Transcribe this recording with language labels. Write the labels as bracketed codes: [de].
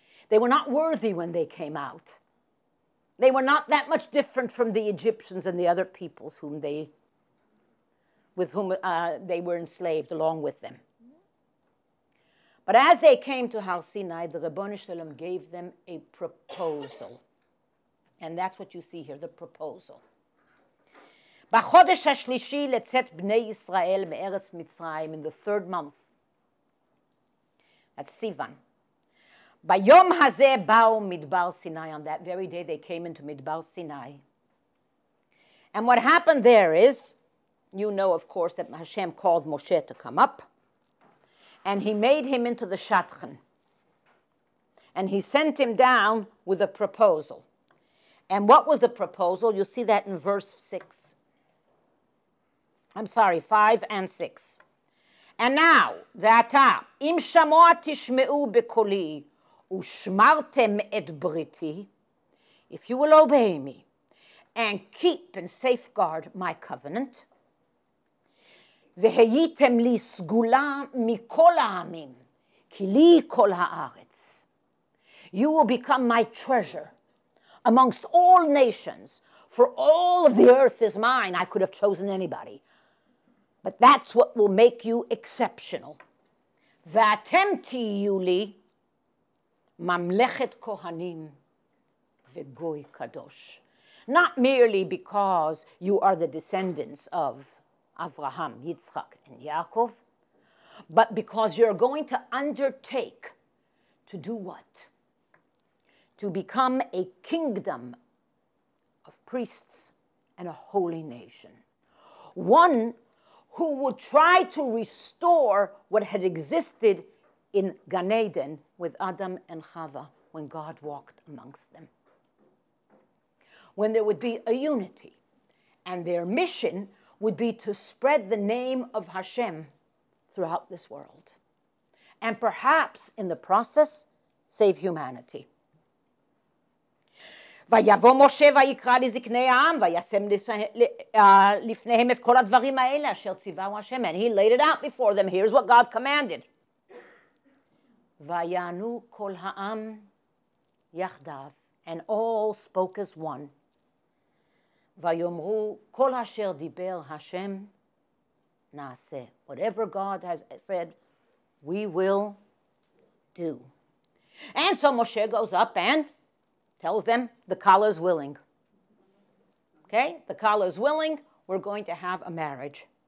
[en] They were not worthy when they came out. They were not that much different from the Egyptians and the other peoples whom they, with whom they were enslaved along with them. But as they came to Har Sinai, the Ribono Shelem gave them a proposal. And that's what you see here, the proposal. [he] בחודש השלישי לצאת בני ישראל מארץ מצרים, [en] in the third month, at Sivan. [he] ביום הזה באו מדבר סיני, [en] on that very day they came into [he] מדבר סיני. [en] And what happened there is, you know, of course, that Hashem called Moshe to come up. And he made him into the Shatran. And he sent him down with a proposal. And what was the proposal? You see that in verse 6. I'm sorry, 5 and 6. [he] And now, ואתה, אם שמוע תשמעו בקולי, ושמרתם את בריתי, [en] if you will obey me, and keep and safeguard my covenant, [he] והייתם לי סגולה מכל העמים, כי לי כל הארץ. [en] You will become my treasure amongst all nations, for all of the earth is mine. I could have chosen anybody. But that's what will make you exceptional. [he] ואתם תהיו לי ממלכת כהנים וגוי קדוש. [en] not merely because you are the descendants of Abraham, Yitzchak, and Yaakov, but because you're going to undertake to do what? To become a kingdom of priests and a holy nation. One who would try to restore what had existed in Gan Eden with Adam and Chava when God walked amongst them. When there would be a unity, and their mission would be to spread the name of Hashem throughout this world, and perhaps in the process, save humanity. [he] ויבוא משה ויקרא לזקני העם וישם לפניהם את כל הדברים האלה אשר ציווהו השם. [en] And he laid it out before them. Here's what God commanded. [he] ויענו כל העם יחדיו, [en] and all spoke as one. [he] ויאמרו כל אשר דיבר השם נעשה. [en] Whatever God has said, we will do. And so Moshe goes up and tells them, the kala is willing. Okay? The kala is willing. We're going to have a marriage.